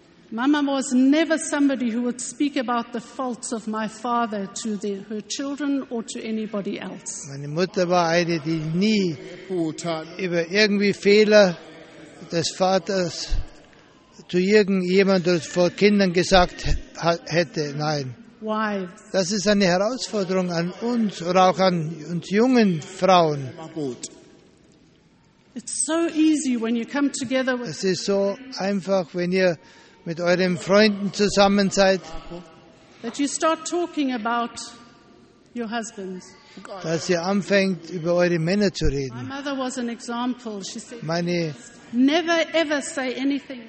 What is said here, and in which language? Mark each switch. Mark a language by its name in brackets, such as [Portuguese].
[English] Mama was never somebody who would speak about the faults of my father to her children or to anybody else. [German] Meine Mutter war eine, die nie über irgendwie Fehler des Vaters zu irgendjemandem vor Kindern gesagt hätte. Nein. [English] Wives. [German] Das ist eine Herausforderung an uns oder auch an uns jungen Frauen. [English] It's so easy when you come together. [German] Es ist so einfach, wenn ihr mit euren Freunden zusammen seid, [English] that you start talking about your husbands. [German] Dass ihr anfängt, über eure Männer zu reden. [English] My mother was an example. She said, [German] meine [English] never, ever say anything.